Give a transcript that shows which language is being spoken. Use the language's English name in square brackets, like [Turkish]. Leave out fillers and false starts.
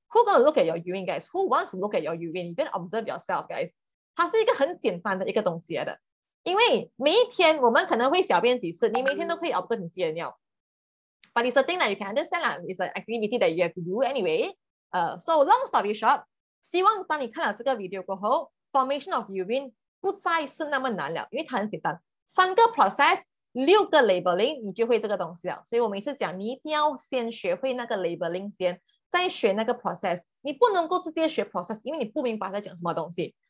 [English] Who gonna look at your urine, guys? Who wants to look at your urine? You gonna observe yourself, guys. [Chinese] 它是一个很简单的一个东西来的，因为每一天我们可能会小便几次，你每天都可以 observe 你自己的尿。 [English] But it's a thing that you can understand, lah. It's an activity that you have to do anyway. So long story short, [Chinese] 希望当你看了这个 video 过后 ， [English] formation of urine [Chinese] 不再是那么难了，因为它很简单，三个 process。六个 labeling 你就会这个东西了。所以我每次讲你一定要先学会那个 labeling 先，再学那个 process， 你不能够直接学 process， 因为你不明白在讲什么东西。